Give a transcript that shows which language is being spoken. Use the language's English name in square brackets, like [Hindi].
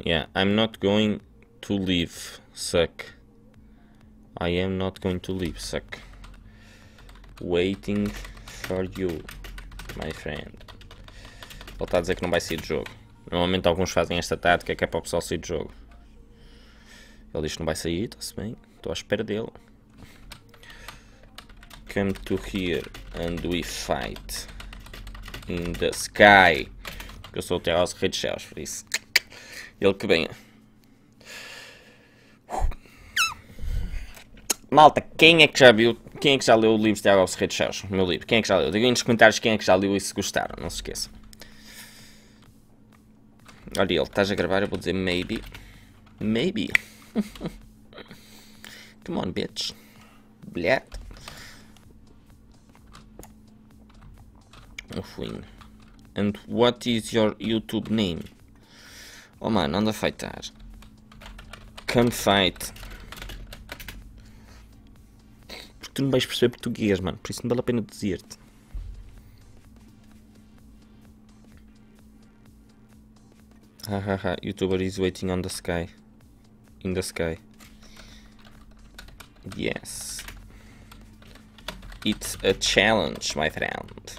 [English] Yeah, I'm not going to leave, suck. I am not going to leave, suck. Waiting for you, my friend. [Portuguese] Ele está a dizer que não vai sair do jogo. Normalmente alguns fazem esta tática que é para o pessoal sair do jogo. Ele diz que não vai sair, está-se bem. Estou à espera dele. [English] Come to here and we fight in the sky. [Portuguese] Porque eu sou o Terra aos Reis Céus, por isso. Ele que venha. Malta, quem é que já viu? Quem é que já leu o livro de Tiago Alves Redes Céus? O meu livro, quem é que já leu? Digam aí nos comentários quem é que já leu e se gostaram, não se esqueçam. Olha ele, estás a gravar? Eu vou dizer maybe. [English] Maybe. Come on, bitch. Blet. [Portuguese] Um fuinho. [English] And what is your YouTube name? Oh man, [Portuguese] anda a fightar. [English] Come fight. [Portuguese] Tu não vais perceber português, mano. Por isso não vale a pena dizer-te. [English] Hahaha, YouTuber is waiting on the sky. In the sky. Yes. It's a challenge, my friend.